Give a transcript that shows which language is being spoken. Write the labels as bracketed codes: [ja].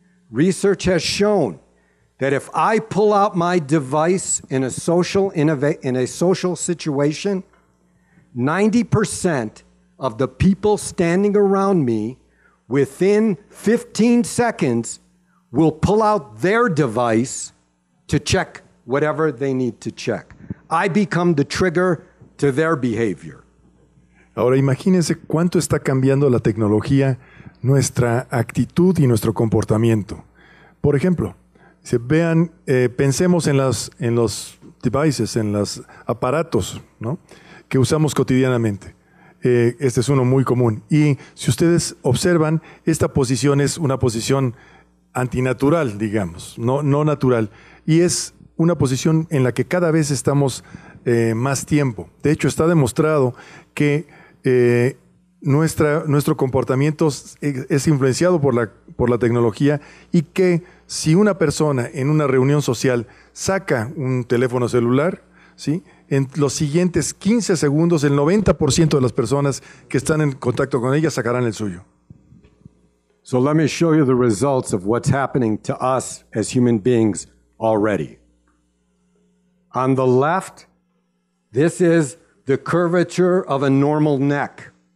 [en] Research has shown that if I pull out my device in a social situation, 90% of the people standing around me within 15 seconds will pull out their device to check whatever they need to check. I become the trigger to their behavior. [es] Ahora imagínense cuánto está cambiando la tecnología, nuestra actitud y nuestro comportamiento. Por ejemplo, vean, pensemos en los devices, en los aparatos, ¿no?, que usamos cotidianamente. Este es uno muy común. Y si ustedes observan, esta posición es una posición antinatural, digamos, no natural. Y es una posición en la que cada vez estamos más tiempo. De hecho, está demostrado que nuestro comportamiento es influenciado por la tecnología y que si una persona en una reunión social saca un teléfono celular, ¿sí?, en los siguientes 15 segundos, el 90% de las personas que están en contacto con ella sacarán el suyo. [en] So let me show you the results of what's happening to us as human beings already. On the left, this is the curvature of a normal neck.